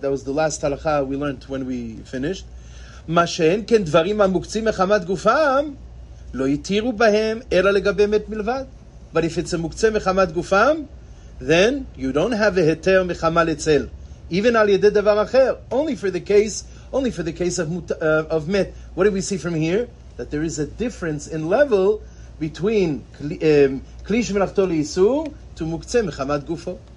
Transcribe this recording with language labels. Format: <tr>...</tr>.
<en>That was the last הלכה we learned when we finished.</en> <he>מה שאין כן דברים המוקצים מחמת גופם לא יתירו בהם אלא לגבי מת מלבד.</he> <en>But if it's a מוקצה מחמת גופם, then you don't have a היתר מחמה לצל, even</en> <he>על ידי דבר אחר.</he> <en>Only for the case of מת. What do we see from here? That there is a difference in level between כלי שמלאכתו לאיסור to מוקצה מחמת גופו.</en>